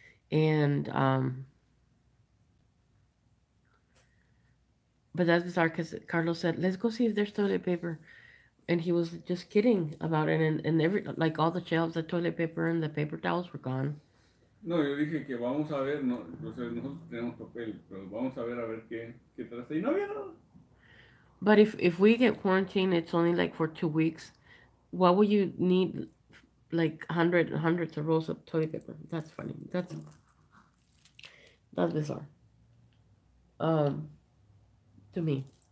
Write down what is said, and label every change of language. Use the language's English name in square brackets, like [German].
[English] And, but that's bizarre because Carlos said, let's go see if there's toilet paper. And he was just kidding about it. And all the shelves, the toilet paper and the paper towels were gone. [Spanish] No, yo dije que vamos a ver, no, o sea, nosotros tenemos papel, pero vamos a ver qué tal está. Y no había nada. [English] But if we get quarantined, it's only like for 2 weeks, what would you need? Like hundreds of rolls of toilet paper. That's funny. That's bizarre. To me.